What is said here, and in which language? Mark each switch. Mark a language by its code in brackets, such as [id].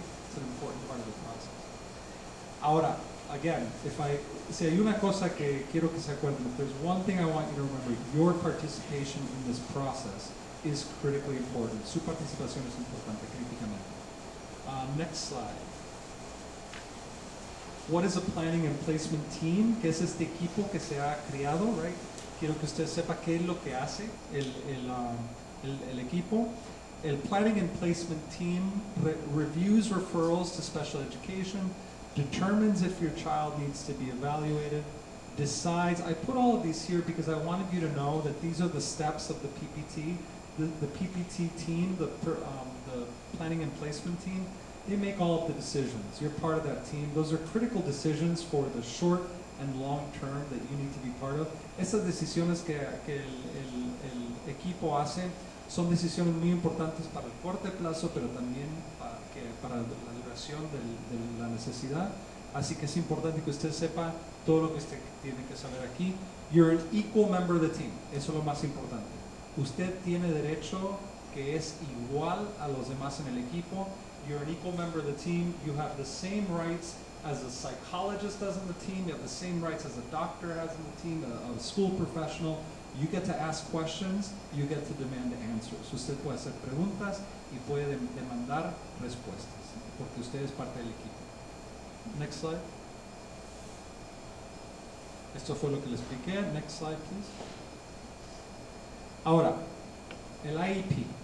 [en] It's an important part of the process. Ahora, again, [es] si hay una cosa que quiero que se acuerden, [en] if there's one thing I want you to remember, your participation in this process is critically important. [es] Su participación es importante, críticamente. [en] Next slide. What is a planning and placement team? [es] ¿Qué es este equipo que se ha creado, right? Quiero que usted sepa qué es lo que hace el equipo. [en] El planning and placement team reviews referrals to special education, determines if your child needs to be evaluated, decides. I put all of these here because I wanted you to know that these are the steps of the PPT. The PPT team, the planning and placement team, they make all of the decisions. You're part of that team. Those are critical decisions for the short and long term that you need to be part of. [es] Esas decisiones que el equipo hace son decisiones muy importantes para el corto plazo, pero también para la duración de la necesidad. Así que es importante que usted sepa todo lo que usted tiene que saber aquí. [en] You're an equal member of the team. [es] Eso es lo más importante. Usted tiene derecho que es igual a los demás en el equipo. [en] You're an equal member of the team. You have the same rights as a psychologist does on the team. You have the same rights as a doctor has on the team, a school professional. You get to ask questions. You get to demand answers. [es] Usted puede hacer preguntas y puede demandar respuestas porque usted es parte del equipo. [en] Next slide. [es] Esto fue lo que le expliqué. [en] Next slide, please. [es] Ahora, el IEP.